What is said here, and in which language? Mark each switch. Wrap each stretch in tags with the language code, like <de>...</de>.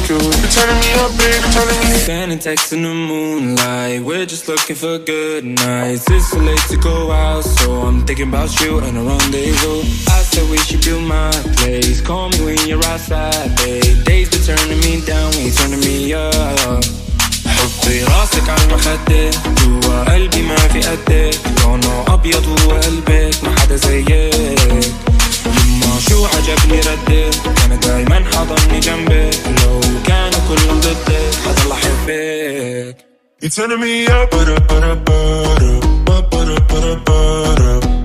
<en>Standing text in the moonlight, we're just looking for good nights. It's so late to go out, so I'm thinking about you and a rendezvous. I said we should do my place, call me when you're outside, babe. Days been turning me down, when you're turning me up.</en> <ar>حطي راسك على المخدة, جوا قلبي ما في قدك. لونه أبيض هو قلبك, ما حدا زيك. لما شو عجبني ردي, كان دايما حضني جنبي. لو كانوا كلهم ضدي, حضل حبك.</ar> <en>You turn me up, but up, but up, but up, but up, but up, but up.</en>